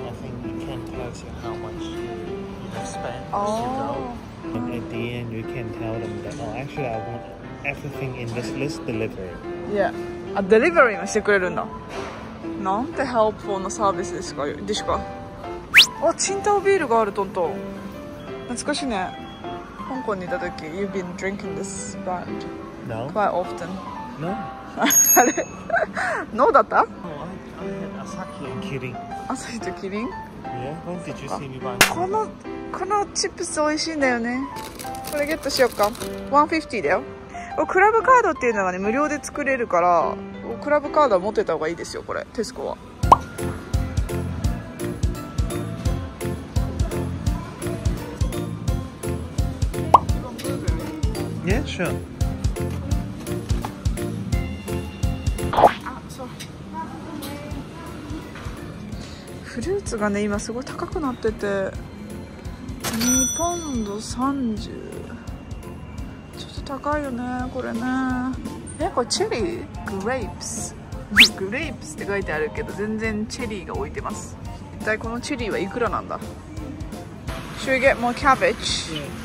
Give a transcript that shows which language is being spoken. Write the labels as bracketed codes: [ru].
[en] I think you can tell you how much you have spent as you go. And at the end, you can tell them that, oh, actually, I want everything in this list delivered. Yeah. [ja] A delivery もしてくれるんだ。なんて helpful なサービスですか、ですか。あ、チンタオビールがある、トントン。懐かしいね。香港にいた時、 [en] You've been drinking this brand No. quite often. No. [ja] あれ No だった [en] No, I had Asahi and Kirin. [ja] Asahi と Kirin? [en] Yeah, when did you see me buy? [ja] このチップス美味しいんだよね。これゲットしよっか。150だよ。クラブカードっていうのがね、無料で作れるから、クラブカードは持ってた方がいいですよ、これ。テスコは。フルーツがね今すごい高くなってて、2ポンド30、ちょっと高いよねこれね。え、これチェリー、グレープス、グレープスって書いてあるけど全然チェリーが置いてます。一体このチェリーはいくらなんだ。 [en] Should we get more cabbage?